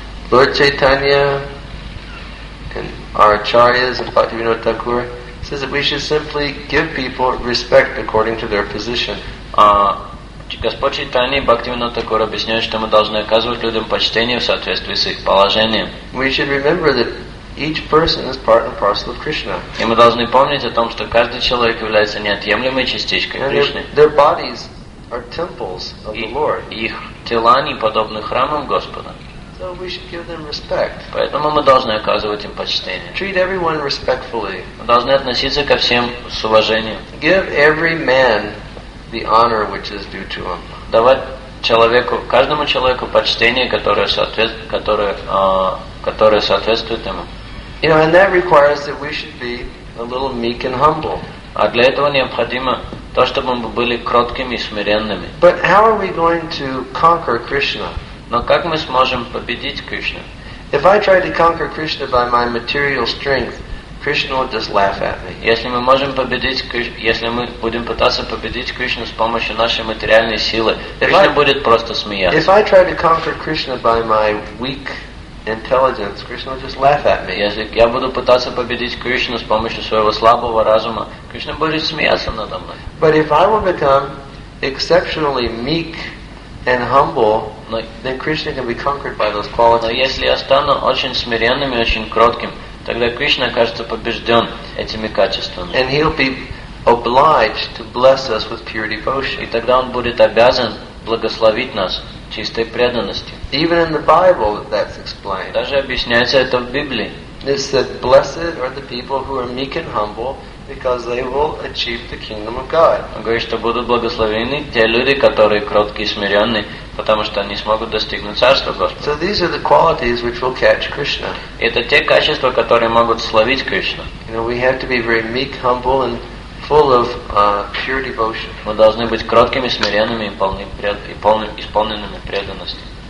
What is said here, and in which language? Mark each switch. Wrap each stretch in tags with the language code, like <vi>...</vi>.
<en>Lord Chaitanya and our acharyas and Bhaktivinoda Thakur says that we should simply give people respect according to their position.</en> <ru>Господь Чайтанья и Бхактивинода Такур объясняют, что мы должны оказывать людям почтение в соответствии с их положением.</ru> <en>We should remember that each person is part and parcel of Krishna.</en> <ru>И мы должны помнить о том, что каждый человек является неотъемлемой частичкой Кришны.</ru> <en>Their bodies are temples of the Lord.</en> <ru>Их тела, они подобны храмам Господа.</ru> <en>So we should give them respect.</en> <ru>Поэтому мы должны оказывать им почтение.</ru> <en>Treat everyone respectfully.</en> <ru>Мы должны относиться ко всем с уважением.</ru> <en>Give every man the honor which is due to him.</en> <ru>Давать человеку, каждому человеку почтение, которое соответствует ему.</ru> <en>You know, and that requires that we should be a little meek and humble.</en> <ru>А для этого необходимо то, чтобы мы были кроткими и смиренными.</ru> <en>But how are we going to conquer Krishna?</en> <ru>Но как мы сможем победить Кришну?</ru> <en>If I try to conquer Krishna by my material strength, Krishna will just laugh at me.</en> <ru>Если мы будем пытаться победить Кришну с помощью нашей материальной силы, Кришна будет просто смеяться.</ru> <en>If I try to conquer Krishna by my weak intelligence, Krishna will just laugh at me.</en> <ru>Если я буду пытаться победить Кришну с помощью своего слабого разума, Кришна будет смеяться надо мной.</ru> <en>But if I will become exceptionally meek and humble, then Krishna can be conquered by those qualities.</en> <ru>Но если я стану очень смиренным и очень кротким, тогда Кришна окажется побежден этими качествами.</ru> <en>And he'll be obliged to bless us with pure devotion.</en> <ru>И тогда он будет обязан благословить нас чистой преданностью.</ru> <en>Even in the Bible, that's explained.</en> <ru>Даже объясняется это в Библии.</ru> <en>It said, "Blessed are the people who are meek and humble, because they will achieve the kingdom of God."</en> <ru>Он говорит, что будут благословены те люди, которые кроткие и смиренные, потому что они смогут достигнуть царства Господа.</ru> <en>So these are the qualities which will catch Krishna.</en> <ru>Это те качества, которые могут словить Кришну.</ru> <en>You know, we have to be very meek, humble, and full of pure devotion.</en> <ru>Мы должны быть кроткими, смиренными и исполненными преданности.</ru>